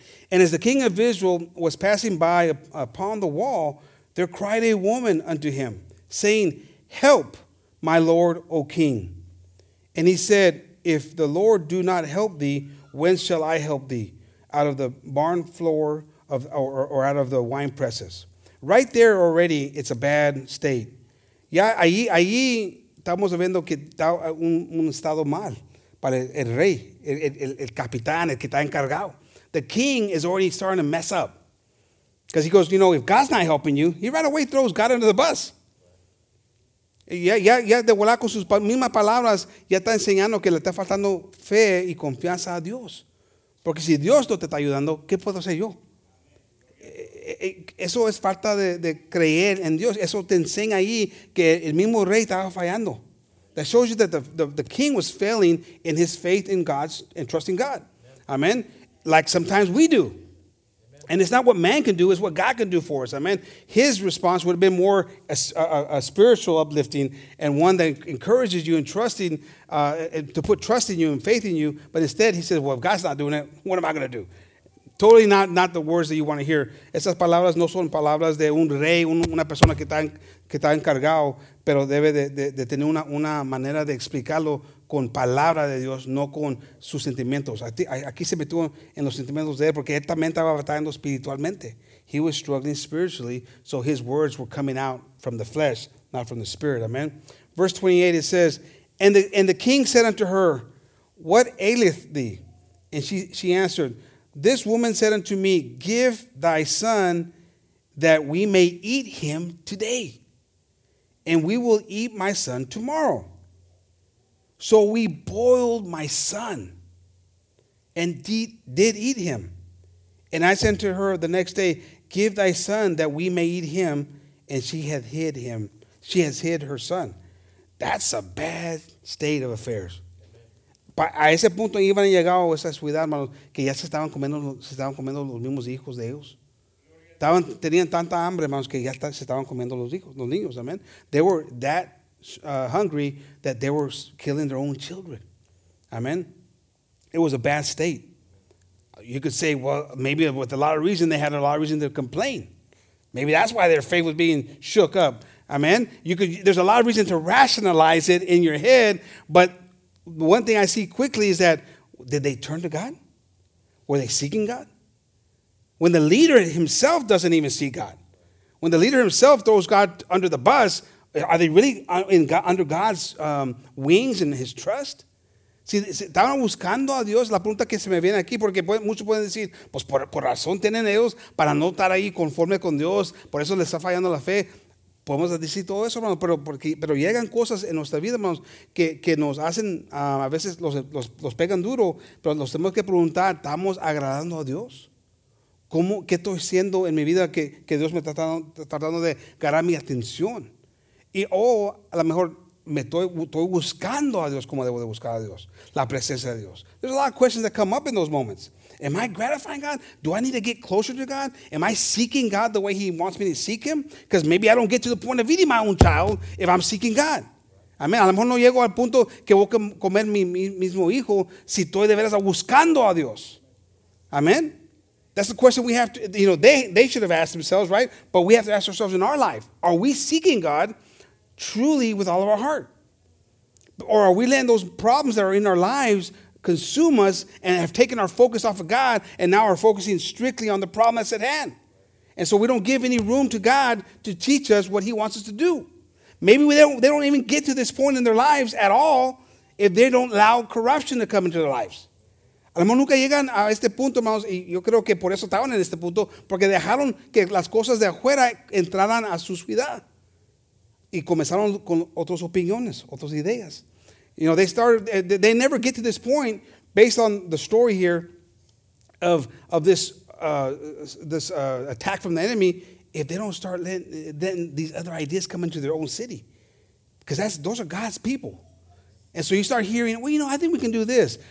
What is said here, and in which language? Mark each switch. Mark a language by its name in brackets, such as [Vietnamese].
[English] And as the king of Israel was passing by upon the wall, there cried a woman unto him, saying, help, my lord, O king. And he said, if the Lord do not help thee, whence shall I help thee? Out of the barn floor or out of the wine presses. Right there already, it's a bad state. [Spanish] Ya allí estamos viendo que está un estado mal para el rey, el capitán, el que está encargado. [English] The king is already starting to mess up. Because he goes, you know, if God's not helping you, he right away throws God under the bus. [Spanish] Ya de volar con sus mismas palabras, ya está enseñando que le está faltando fe y confianza a Dios. Porque si Dios no te está ayudando, ¿qué puedo hacer yo? Eso es falta de creer en Dios. Eso te enseña ahí que el mismo rey estaba fallando. [English] That shows you that the king was failing in his faith in God and trusting God. Amen. Like sometimes we do. And it's not what man can do, it's what God can do for us. Amen. His response would have been more a spiritual uplifting and one that encourages you and trusting, to put trust in you and faith in you. But instead, he says, well, if God's not doing it, what am I going to do? Totally not the words that you want to hear. [Spanish] Esas palabras no son palabras de un rey, una persona que está encargado, pero debe de tener una manera de explicarlo con palabra de Dios, no con sus sentimientos. Aquí se metió en los sentimientos de él porque él también estaba batallando espiritualmente. [English] He was struggling spiritually, so his words were coming out from the flesh, not from the spirit. Amen. Verse 28, it says, And the king said unto her, what aileth thee? And she answered, this woman said unto me, give thy son that we may eat him today, and we will eat my son tomorrow. So we boiled my son and did eat him. And I said to her the next day, give thy son that we may eat him. And she had hid him. She has hid her son. That's a bad state of affairs. [Spanish] A ese punto iban a llegar a esa ciudad, hermanos, que ya se estaban comiendo los mismos hijos de ellos. Tenían tanta hambre, hermanos, que ya se estaban comiendo los hijos, los niños, amen. [English] They were that hungry that they were killing their own children. Amen. It was a bad state. You could say, well, maybe with a lot of reason, they had a lot of reason to complain. Maybe that's why their faith was being shook up. Amen. There's a lot of reason to rationalize it in your head, but one thing I see quickly is that, did they turn to God? Were they seeking God? When the leader himself doesn't even see God, when the leader himself throws God under the bus, are they really under God's wings and his trust? [Spanish] Si estaban buscando a Dios, la pregunta que se me viene aquí, porque muchos pueden decir, pues por razón tienen ellos para no estar ahí conforme con Dios, por eso les está fallando la fe. Podemos decir todo eso, hermanos, pero llegan cosas en nuestra vida, hermanos, que nos hacen, a veces los pegan duro, pero nos tenemos que preguntar, ¿estamos agradando a Dios? ¿Cómo, qué estoy haciendo en mi vida que Dios me está tratando de ganar mi atención? Y a lo mejor me estoy buscando a Dios como debo de buscar a Dios, la presencia de Dios. [English] There's a lot of questions that come up in those moments. Am I gratifying God? Do I need to get closer to God? Am I seeking God the way he wants me to seek him? Because maybe I don't get to the point of eating my own child if I'm seeking God. Amen. [Spanish] A lo mejor no llego al punto que voy a comer mi mismo hijo si estoy de veras buscando a Dios. Amen. [English] That's the question we have to, you know, they should have asked themselves, right? But we have to ask ourselves in our life, are we seeking God truly with all of our heart? Or are we letting those problems that are in our lives consume us and have taken our focus off of God and now are focusing strictly on the problem that's at hand? And so we don't give any room to God to teach us what he wants us to do. Maybe they don't even get to this point in their lives at all if they don't allow corruption to come into their lives. [Spanish] A lo mejor nunca llegan a este punto, hermanos, y yo creo que por eso estaban en este punto, porque dejaron que las cosas de afuera entraran a su vida. Y comenzaron con otras opiniones, otras ideas. [English] You know, they never get to this point, based on the story here, of this attack from the enemy, if they don't start letting these other ideas come into their own city. Because those are God's people. And so you start hearing, well, you know, I think we can do this.